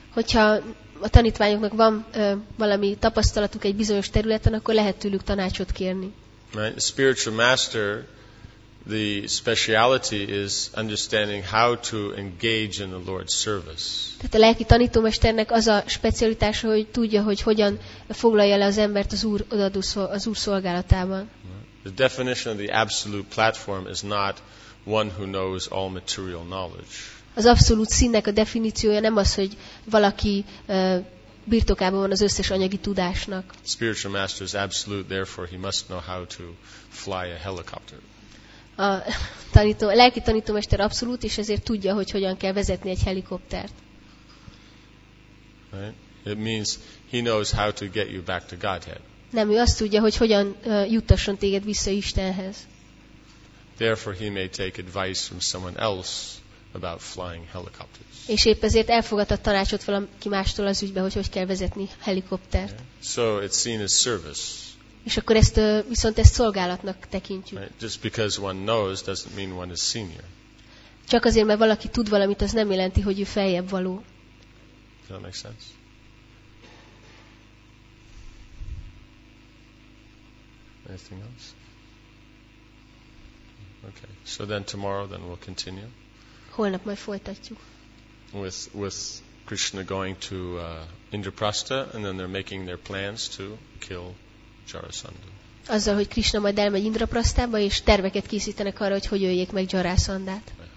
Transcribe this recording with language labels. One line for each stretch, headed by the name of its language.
Hungarian: Hogyha a tanítványoknak van valami tapasztalatuk egy bizonyos területen, akkor lehet tőlük tanácsot kérni.
English: Right. The spiritual master, the speciality is understanding how to engage in the Lord's service.
Hungarian: Tehát a lelki tanítómesternek az a specialitása, hogy tudja, hogy hogyan foglalja le az embert az Úr odaadó az Úr szolgálatában.
English: Right. The definition of the absolute platform is not one who knows all material knowledge.
Hungarian: Az abszolút színnek a definíciója nem az, hogy valaki birtokában van az összes anyagi tudásnak.
English: Spiritual master is absolute, therefore he must know how to fly a helicopter.
Hungarian: A lelki tanítómester abszolút, és ezért tudja, hogy hogyan kell vezetni egy helikoptert.
English: Right? It means he knows how to get you back to Godhead.
Hungarian: Nem, ő azt tudja, hogy hogyan juttasson téged vissza Istenhez.
English: Therefore he may take advice from someone else about flying helicopters.
Hungarian: És épp ezért elfogadott tanácsot valaki mástól az ügybe, hogy kell vezetni helikoptert.
English: Yeah. So it's seen as service.
Hungarian: És akkor ezt viszont ezt szolgálatnak tekintjük.
English: Right. Just because one knows doesn't mean one is senior.
Hungarian: Csak azért, mert valaki tud valamit, az nem jelenti, hogy ő feljebb való.
English: Does that make sense? Anything else? Okay. So then tomorrow then we'll continue.
Hungarian: Holnap majd folytatjuk.
English: With Krishna going to Indraprastha and then they're making their plans to kill Jarasandha.
Hungarian: Azzal, hogy Krishna majd elmegy Indraprasthába, és terveket készítenek arra, hogy hogy öljék meg Jarasandhát.